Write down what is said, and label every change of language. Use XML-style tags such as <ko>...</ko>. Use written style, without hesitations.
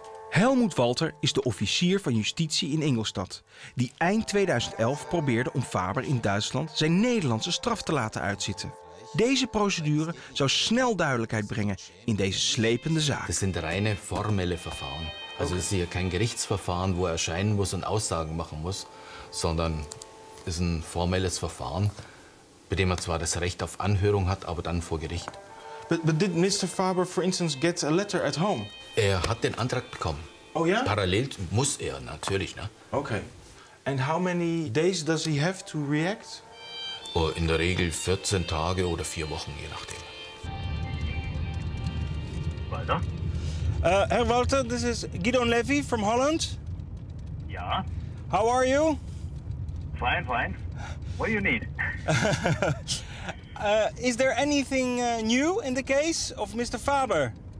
<nl>Helmut Walter is de officier van justitie in Ingolstadt, die eind 2011 probeerde om Faber in Duitsland zijn Nederlandse straf te laten uitzitten. Deze procedure zou snel duidelijkheid brengen in deze slepende zaak.</nl> <de>Het zijn reine formele verfahren. Also es ist hier kein Gerichtsverfahren, wo er erscheinen muss und Aussagen machen muss, sondern es ist ein formelles Verfahren, bei dem er zwar das Recht auf Anhörung hat, aber dann vor Gericht.</de> <en>But did Mr. Faber, for instance, get a letter at home?</en> <de>Er hat den Antrag bekommen. Oh ja? Parallel muss er, natürlich, ne? Okay.</de> <en>And how many days does he have to react?</en> <de>Oh, in der Regel 14 Tage oder 4 Wochen, je nachdem. Weiter?</de> <en>Herr Walter, this is Gideon Levy from Holland. Yeah. How are you? Fine, fine. What do you need? Is there anything new in the case of Mr. Faber?</en>